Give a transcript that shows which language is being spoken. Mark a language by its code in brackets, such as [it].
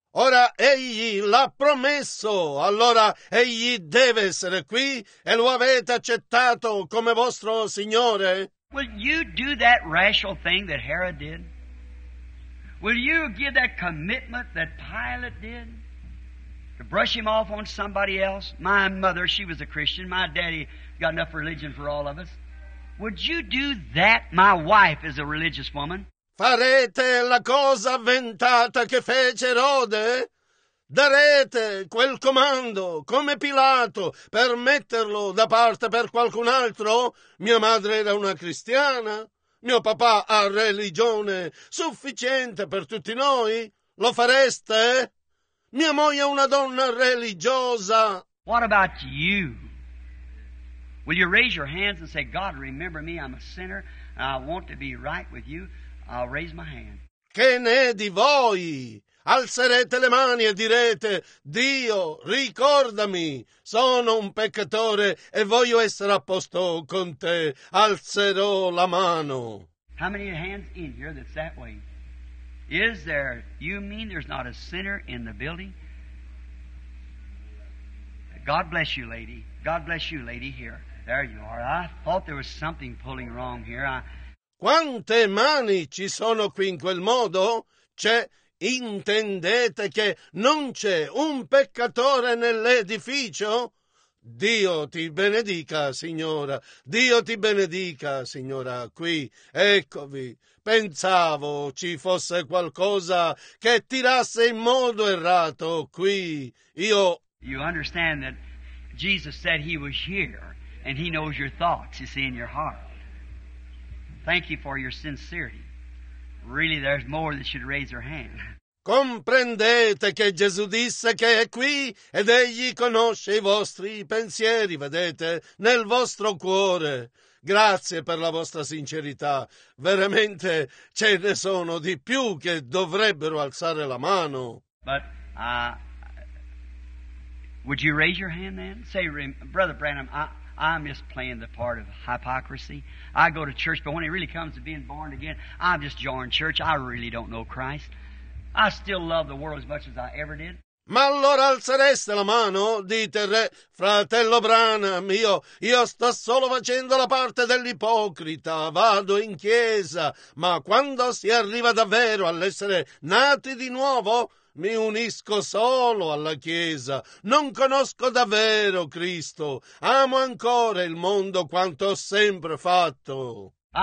[it] Ora egli l'ha promesso, allora egli deve essere qui e lo avete accettato come vostro Signore? [en] Will you do that rational thing that Herod did? Will you give that commitment that Pilate did to brush him off on somebody else? My mother, she was a Christian. My daddy got enough religion for all of us. Would you do that? My wife is a religious woman. [it] Farete la cosa avventata che fece Erode? Darete quel comando come Pilato per metterlo da parte per qualcun altro? Mia madre era una cristiana. Mio papà ha religione sufficiente per tutti noi. Lo fareste? Mia moglie è una donna religiosa. [en] What about you? Will you raise your hands and say, God, remember me, I'm a sinner, and I want to be right with you. I'll raise my hand. [it] Che ne di voi? Alzerete le mani e direte, Dio, ricordami, sono un peccatore e voglio essere a posto con te. Alzerò la mano. [en] How many hands in here that's that way? Is there, you mean there's not a sinner in the building? God bless you, lady. God bless you, lady, here. There you are. I thought there was something pulling wrong here. [it] Quante mani ci sono qui in quel modo? C'è, intendete che non c'è un peccatore nell'edificio? Dio ti benedica, signora. Dio ti benedica, signora. Qui, eccovi. Pensavo ci fosse qualcosa che tirasse in modo errato qui. Io... [en] You understand that Jesus said he was here and he knows your thoughts, you see, in your heart. Thank you for your sincerity. Really, there's more that should raise their hand. [it] Comprendete che Gesù disse che è qui ed egli conosce i vostri pensieri, vedete, nel vostro cuore. Grazie per la vostra sincerità. Veramente ce ne sono di più che dovrebbero alzare la mano. [en] But, would you raise your hand then? Say, Brother Branham, I'm just playing the part of hypocrisy. I go to church, but when it really comes to being born again, I'm just joining church. I really don't know Christ. I still love the world as much as I ever did. [it] Ma allora alzereste la mano? Dite, re, fratello Branham, io sto solo facendo la parte dell'ipocrita, vado in chiesa, ma quando si arriva davvero all'essere nati di nuovo, mi unisco solo alla chiesa, non conosco davvero Cristo, amo ancora il mondo quanto ho sempre fatto.